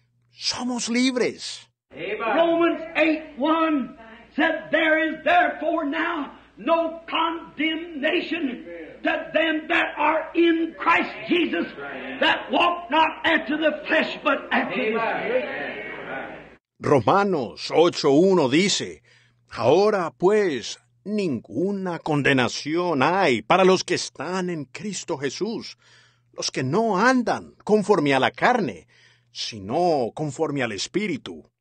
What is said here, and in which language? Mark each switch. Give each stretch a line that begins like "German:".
Spanish: Somos libres.
English: Romans 8:1 said, there is therefore now no condemnation to them that are in Christ Jesus, that walk not after the flesh, but after the Spirit.
Spanish: Romanos 8:1 dice, ahora pues, ninguna condenación hay para los que están en Cristo Jesús, los que no andan conforme a la carne, sino conforme al Espíritu.